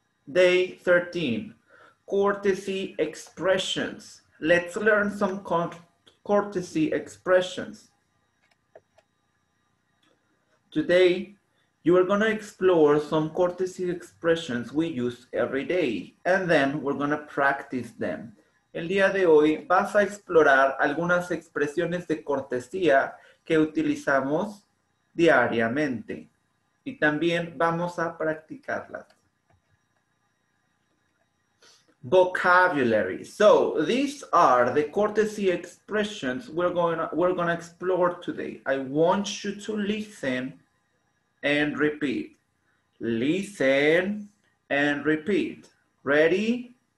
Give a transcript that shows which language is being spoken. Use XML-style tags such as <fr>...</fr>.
<en>Day 13, courtesy expressions. Let's learn some courtesy expressions. Today, you are gonna explore some courtesy expressions we use every day, and then we're gonna practice them.</en> <es>El día de hoy vas a explorar algunas expresiones de cortesía que utilizamos diariamente, y también vamos a practicarlas.</es> <en>Vocabulary. So these are the courtesy expressions we're gonna explore today. I want you to listen and repeat. Listen and repeat. Ready?</en>